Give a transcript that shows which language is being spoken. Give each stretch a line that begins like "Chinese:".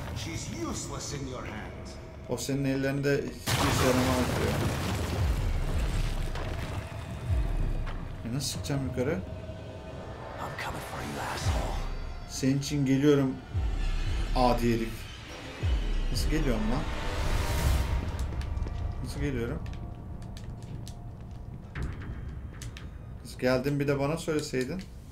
English: She's useless in your hands.
Turkish: O senin ellerinde hiçbir şey yaramaz diyor. Nasıl çıkacağım yukarı?
English: I'm coming for you, asshole.
Turkish: Senin için geliyorum, adi herif. Nasıl geliyorum lan? Nasıl geliyorum? Nasıl geldin bir de bana söyleseydin.